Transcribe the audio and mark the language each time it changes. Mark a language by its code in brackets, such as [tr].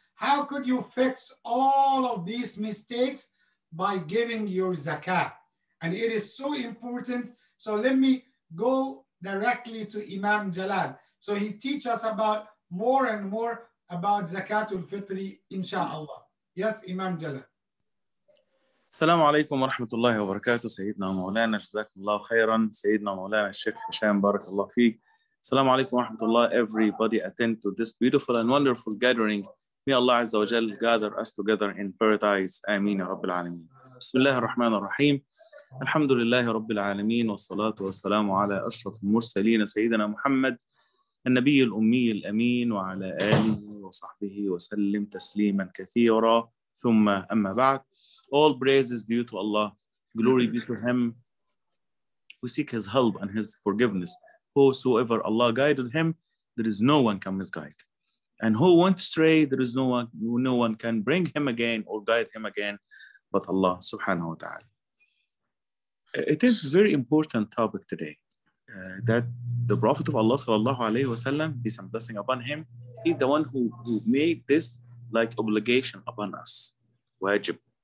[en] How could you fix all of these mistakes? By giving your zakah. And it is so important. So let me go directly to Imam Jalal. So he teaches us about more and more about zakatul fitri, inshallah. Yes, Imam Jalal. [ar] السلام عليكم ورحمة الله وبركاته سيدنا مولانا جزاكم الله خيرا سيدنا مولانا الشيخ هشام بارك الله فيك السلام عليكم ورحمة الله [en] everybody attend to this beautiful and wonderful gathering may Allah [ar] عز وجل [en] gather us together in paradise [ar] آمين يا رب العالمين بسم الله الرحمن الرحيم الحمد لله رب العالمين والصلاة والسلام على أشرف المرسلين سيدنا محمد النبي الأمي الأمين وعلى آله وصحبه وسلم تسليما كثيرا ثم أما بعد [en] All praise is due to Allah. Glory be to Him. We seek His help and His forgiveness. Whosoever Allah guided him, there is no one can misguide. And who went astray, there is no one can bring him again or guide him again, but Allah subhanahu wa ta'ala. It is a very important topic today that the Prophet of Allah sallallahu alayhi wa sallam, peace and blessing upon him, he's the one who made this like obligation upon us, wajib.